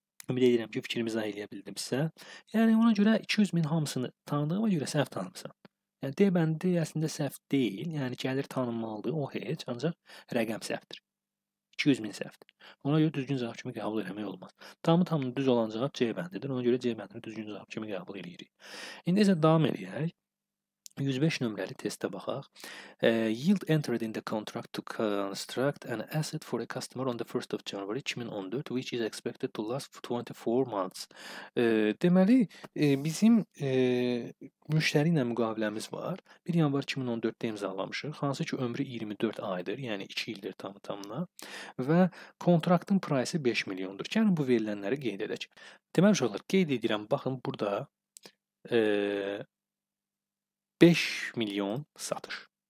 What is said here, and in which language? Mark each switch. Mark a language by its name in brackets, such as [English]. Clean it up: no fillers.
[Azerbaijani] Ümid edirəm ki, fikrimi izah edə bildim sizə. Yəni, ona görə 200 min hamısını tanıdığıma görə səhv tanımsan. Yəni, D bəndi əslində səhv deyil. Yəni, gəlir tanınmalıdır, o heç. Ancaq rəqəm səhvdir. 200 min səhvdir. Ona görə düzgün cavab kimi qəbul eləmək olmaz. Tamı-tamını düz olan cavab C bəndidir. Ona görə C bəndini düzgün cavab kimi qəbul eləyirik. İndi isə davam edək. 105 nömrəli testə baxaq. [English] Yield entered in the contract to construct an asset for a customer on the 1st of January 2014, which is expected to last for 24 months. [Azerbaijani] Deməli, bizim müştəri ilə müqaviləmiz var. 1 yanvar 2014-də imzalamışıq. Hansı ki, ömrü 24 aydır, yəni 2 ildir tamına. Və kontraktın price-i 5 milyondur. Gəlin bu verilənləri qeyd edək. Deməli, şəhələr, qeyd edirəm, baxın, burada 5 milyon satış.